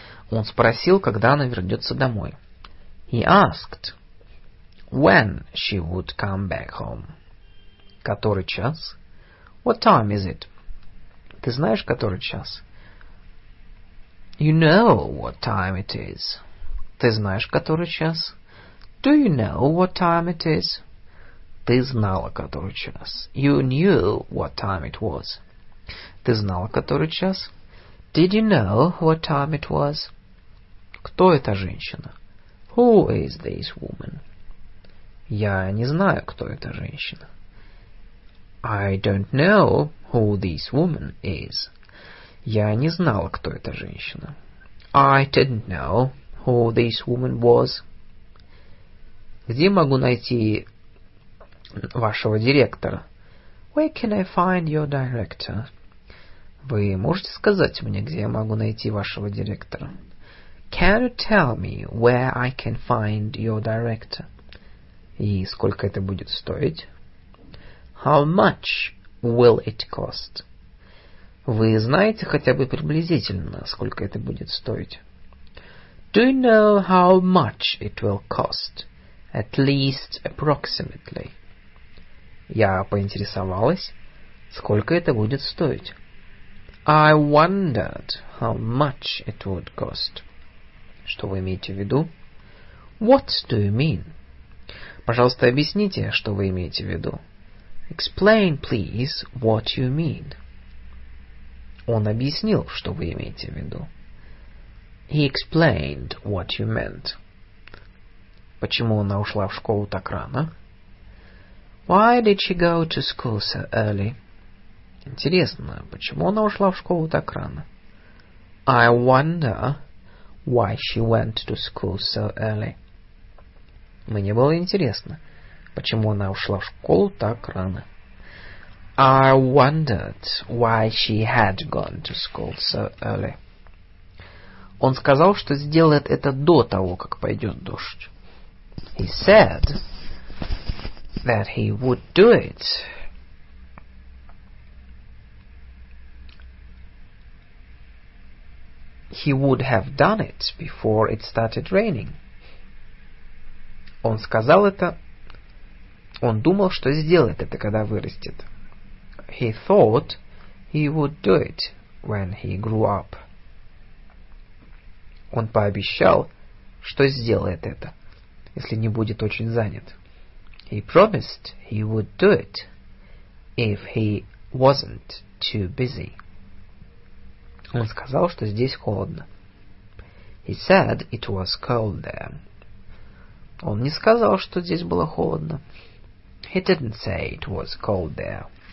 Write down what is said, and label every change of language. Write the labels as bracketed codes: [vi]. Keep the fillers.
[ru] Он спросил, когда она вернется домой. [en] He asked when she would come back home. [ru] Который час? [en] What time is it? [ru] Ты знаешь, который час? [en] You know what time it is. [ru] Ты знаешь, который час? [en] Do you know what time it is? [ru] Ты знала, который час. [en] You knew what time it was. [ru] Ты знала, который час? [en] Did you know what time it was? [ru] Кто эта женщина? [en] Who is this woman? [ru] Я не знаю, кто эта женщина. [en] I don't know who this woman is. [ru] Я не знала, кто эта женщина. [en] I didn't know who this woman was. [ru] Где могу найти вашего директора? [en] Where can I find your director? [ru] Вы можете сказать мне, где я могу найти вашего директора? [en] Can you tell me where I can find your director? [ru] И сколько это будет стоить? [en] How much will it cost? [ru] Вы знаете хотя бы приблизительно, сколько это будет стоить? [en] Do you know how much it will cost? At least approximately. [ru] Я поинтересовалась, сколько это будет стоить. [en] I wondered how much it would cost. [ru] Что вы имеете в виду? [en] What do you mean? [ru] Пожалуйста, объясните, что вы имеете в виду. [en] Explain, please, what you mean. [ru] Он объяснил, что вы имеете в виду. [en] He explained what you meant. [ru] Почему она ушла в школу так рано? [en] Why did she go to school so early? [ru] Интересно, почему она ушла в школу так рано? [en] I wonder why she went to school so early. [ru] Мне было интересно, почему она ушла в школу так рано. [en] I wondered why she had gone to school so early. [ru] Он сказал, что сделает это до того, как пойдет дождь. [en] He said that he would do it he would have done it before it started raining. [ru] Он сказал это. Он думал, что сделает это, когда вырастет. [en] He thought he would do it when he grew up. [ru] Он пообещал, что сделает это, если не будет очень занят. [en] He promised he would do it if he wasn't too busy. [ru] Он сказал, что здесь холодно. [en] He said it was cold there. [ru] Он не сказал, что здесь было холодно. [en] He didn't say it was cold there.